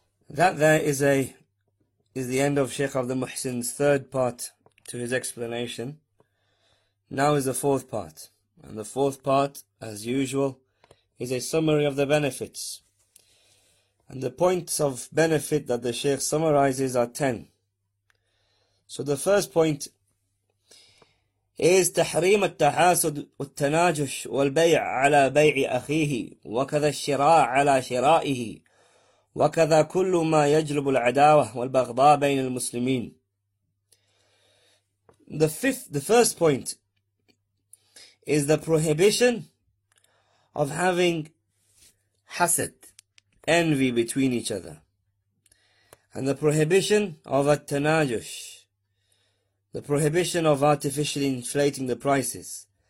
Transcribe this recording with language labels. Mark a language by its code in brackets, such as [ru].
[en] That there is the end of Sheikh Abdul Muhsin's third part to his explanation. Now is the fourth part. And the fourth part, as usual, is a summary of the benefits. And the points of benefit that the Shaykh summarizes are 10. So the first point is [ar] تحريم التحاسد والتناجش والبيع على بيع أخيه وكذا الشراء على شرائه وكذا كل ما يجلب العداوة والبغضاء بين المسلمين. [en] The first point is the prohibition of having hasad, envy between each other, and the prohibition of at-tanajush, the prohibition of artificially inflating the prices,